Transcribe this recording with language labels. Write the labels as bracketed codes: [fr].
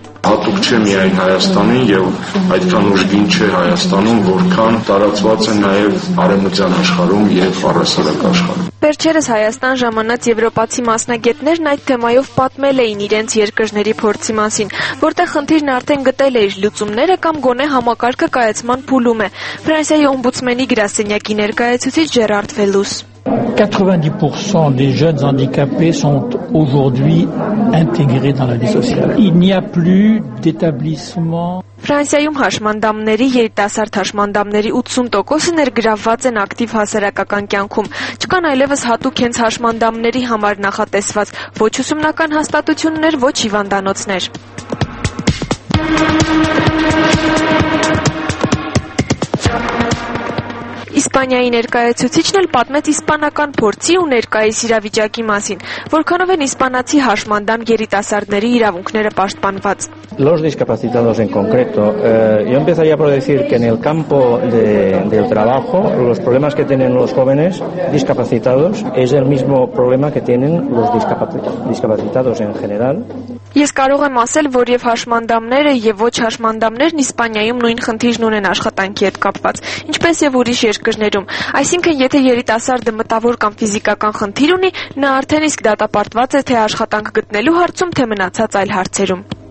[hy] Հատուկ չէ միայն Հայաստանին եւ այդքան ուժգին չէ Հայաստանում, որքան տարածված է նաեւ արևմտյան աշխարհում եւ առասարակ աշխարհում։ Վերջերս Հայաստան ժամանած եվրոպացի մասնագետներն այդ թեմայով պատմել էին իրենց երկրների փորձի մասին, որտեղ խնդիրն արդեն գտել է իր լուծումները կամ գոնե համակարգը կայացման փուլում է։ Ֆրանսիայի օմբուդսմենի գրասենյակի ներկայացուցիչ Ջերարդ Վելուս. [fr] 90% des jeunes handicapés sont aujourd'hui intégrés dans la vie sociale. Il n'y a plus d'établissement. [hy] Ֆրանսիայում հաշմանդամների 7000 հաշմանդամների 80%-ը ներգրավված են ակտիվ հասարակական կյանքում։ Չկան այլևս հատուկ հենց հաշմանդամների համար նախատեսված ոչ ուսումնական հաստատություններ, ոչ հիվանդանոցներ։ Իսպանիայի ներկայացուցիչն էլ պատմեց իսպանական փորձի ու ներկայիս իրավիճակի մասին, որքանով են իսպանացի հաշմանդամ երիտասարդների իրավունքները պաշտպանված։ [es] Los discapacitados en concreto, yo empezaría por decir que en el campo del trabajo, los problemas que tienen los jóvenes discapacitados es el mismo problema que tienen los discapacitados en general. [hy] Ես կարող եմ ասել, որ եւ հաշմանդամները եւ ոչ հաշմանդամներն Իսպանիայում նույն խնդիրն ունեն աշխատանքի հետ կապված, ինչպես եւ ուրիշ երկրներում։ Այսինքն, եթե երիտասարդը մտավոր կամ ֆիզիկական խնդիր ունի, նա արդեն իսկ դատապարտված է թե աշխատանք գտնելու հարցում, թե մնացած այլ հարցերում։